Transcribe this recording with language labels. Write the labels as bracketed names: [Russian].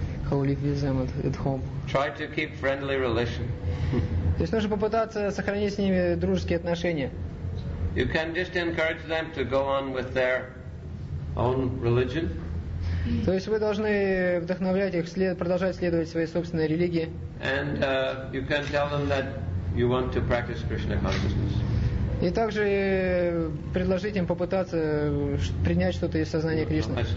[English] How live with them at home? Try to keep friendly relation. [Russian] То есть нужно попытаться сохранить с ними дружеские отношения. [English] You can just encourage them to go on with their own religion. [Russian] То есть вы должны вдохновлять их продолжать следовать своей собственной религии. [English] And you can tell them that you want to practice Krishna consciousness. [Russian] И также предложить им попытаться принять что-то из сознания Кришны.